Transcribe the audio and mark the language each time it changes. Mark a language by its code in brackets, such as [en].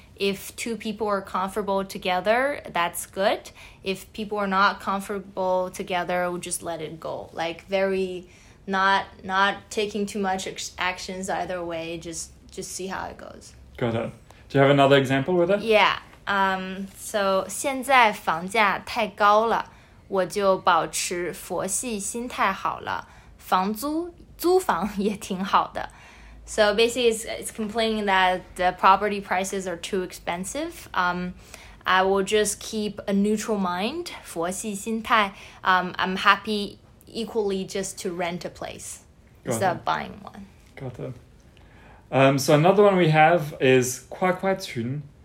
[en] if two people are comfortable together, that's good. If people are not comfortable together, we'll just let it go. Like, very not taking too much actions either way, just see how it goes. Got it. Do you have another example with it? Yeah. [zh] So 现在房价太高了，我就保持佛系心态好了，房租也挺好的。 [en] So basically, it's complaining that the property prices are too expensive. I will just keep a neutral mind, 佛系心态. I'm happy equally just to rent a place instead of buying one. Got it. So another one we have is 夸夸群.